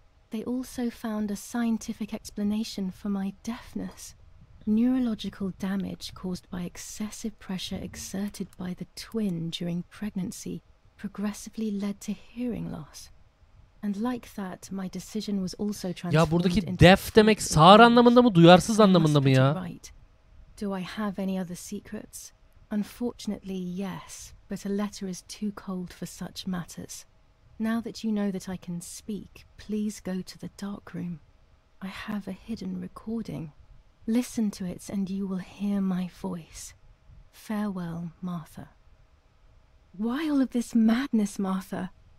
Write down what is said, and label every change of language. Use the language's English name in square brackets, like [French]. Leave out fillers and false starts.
[English] They also found a scientific explanation for my deafness. Neurological damage caused by excessive pressure exerted by the twin during pregnancy progressively led to hearing loss. And like that, my decision was also transformed. [Turkish] Ya buradaki deaf demek sağır anlamında mı, duyarsız anlamında mı ya? [English] Do I have any other secrets? Unfortunately, yes. But a letter is too cold for such matters. Now that you know that I can speak, please go to the dark room. I have a hidden recording. Listen to it and you will hear my voice. Farewell, Martha. Why all of this madness, Martha?